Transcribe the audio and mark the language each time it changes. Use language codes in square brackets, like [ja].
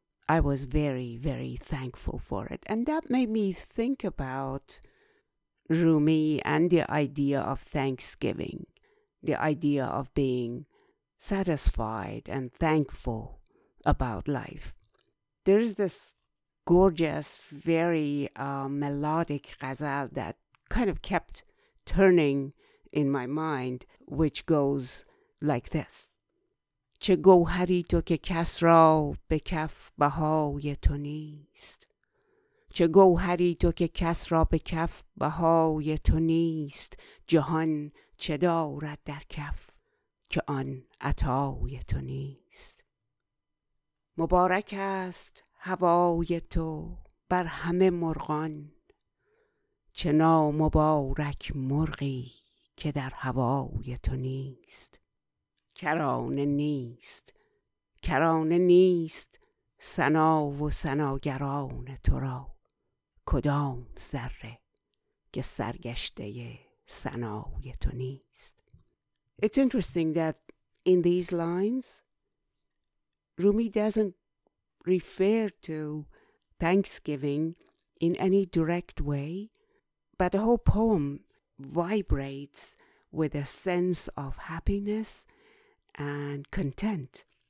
[en] I was very, very thankful for it. And that made me think about Rumi and the idea of Thanksgiving, the idea of being satisfied and thankful about life. There is this gorgeous, very melodic ghazal that kind of kept turning in my mind, which goes like this. [fa] چه گوهری تو که کس را به کف بهای تو نیست. چه گوهری تو که کس را به کف بهای تو نیست. جهان چه دارد در کف که آن عطای تو نیست. مبارک است هوای تو بر همه مرغان، چه نامبارک مرغی که در هوای تو نیست. کرانه نیست، کرانه نیست ثنا و ثناگران تو را، کدام ذره که سرگشته ثنای تو نیست. [en] It's interesting that in these lines Rumi doesn't refer to Thanksgiving in any direct way, but the whole poem vibrates with a sense of happiness and content.